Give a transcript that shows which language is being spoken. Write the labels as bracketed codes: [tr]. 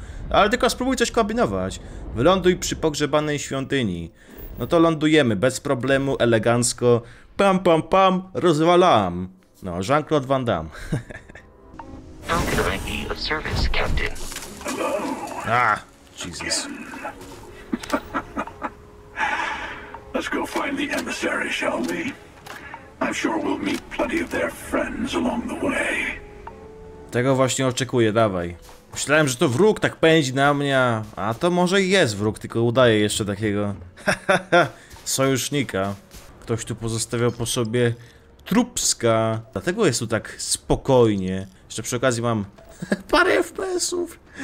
[pl] Ale tylko spróbuj coś kombinować. Wyląduj przy pogrzebanej świątyni. No to lądujemy, bez problemu, elegancko. Pam, pam, pam, rozwalam. No, Jean-Claude Van Damme. [en] How can I be of service, Captain? Hello. Ah, Jesus. Let's go find the emissary, shall we? I'm sure we'll meet plenty of their friends along the way. [pl] Tego właśnie oczekuję, dawaj. Myślałem, że to wróg tak pędzi na mnie, a to może i jest wróg, tylko udaje jeszcze takiego sojusznika. Ktoś tu pozostawiał po sobie trupska, dlatego jest tu tak spokojnie. Jeszcze przy okazji mam parę FPS-ów.